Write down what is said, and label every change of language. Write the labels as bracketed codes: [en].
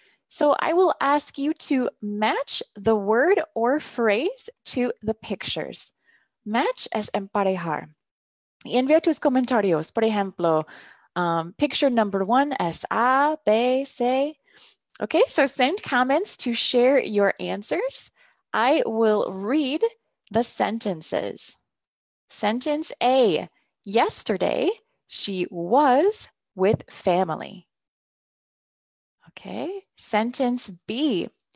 [en] So I will ask you to match the word or phrase to the pictures. [es] Match es emparejar. Y envía tus comentarios, por ejemplo, [en] picture number one [es] es A, B, C. [en] Okay, so send comments to share your answers. I will read the sentences. Sentence A, yesterday She was with family. Okay, sentence B.